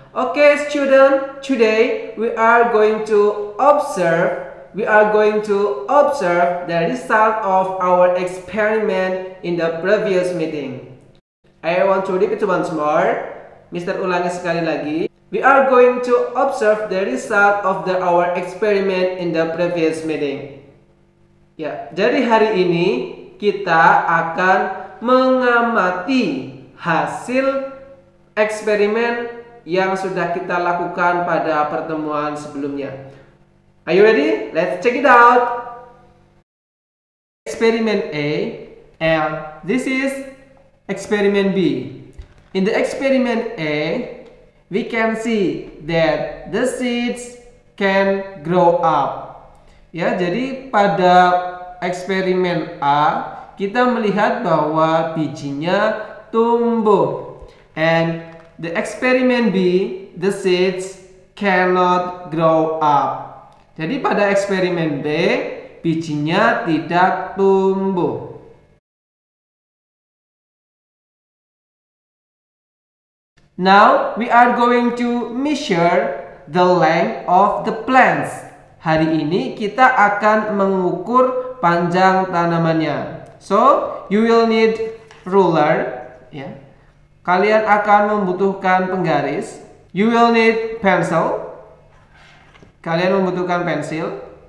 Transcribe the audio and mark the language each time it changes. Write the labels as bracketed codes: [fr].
[en] Okay student, today we are going to observe the result of our experiment in the previous meeting. I want to repeat once more. [id] Mister ulangi sekali lagi. [en] We are going to observe the result of our experiment in the previous meeting. [id] Ya, jadi hari ini kita akan mengamati hasil eksperimen yang sudah kita lakukan pada pertemuan sebelumnya. [en] Are you ready? Let's check it out. Experiment A, and this is experiment B. In the experiment A, we can see that the seeds can grow up. [id] Ya, jadi pada eksperimen A, kita melihat bahwa bijinya tumbuh. [en] And the experiment B, the seeds cannot grow up. [id] Jadi pada eksperimen B, bijinya tidak tumbuh. [en] Now, we are going to measure the length of the plants. [id] Hari ini kita akan mengukur panjang tanamannya. [en] So, you will need ruler. Yeah. [id] Kalian akan membutuhkan penggaris. [en] You will need pencil. [id] Kalian membutuhkan pensil.